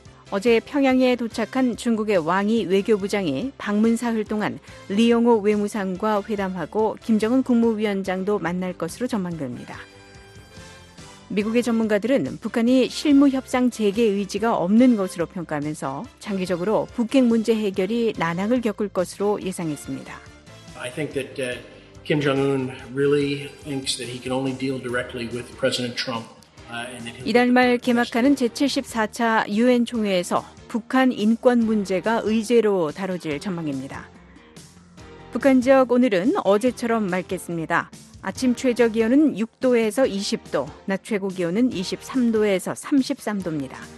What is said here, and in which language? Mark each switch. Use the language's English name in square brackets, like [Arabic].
[Korean] 어제 평양에 도착한 중국의 왕이 외교부장이 방문 사흘 동안 리용호 외무상과 회담하고 김정은 국무위원장도 만날 것으로 전망됩니다. 미국의 전문가들은 북한이 실무 협상 재개 의지가 없는 것으로 평가하면서 장기적으로 북핵 문제 해결이 난항을 겪을 것으로 예상했습니다. [English] I think that Kim Jong-un really thinks that he can only deal directly with President Trump. [Korean] 이달 말 개막하는 제74차 UN 총회에서 북한 인권 문제가 의제로 다뤄질 전망입니다. 북한 지역 오늘은 어제처럼 맑겠습니다. 아침 최저 기온은 6도에서 20도, 낮 최고 기온은 23도에서 33도입니다.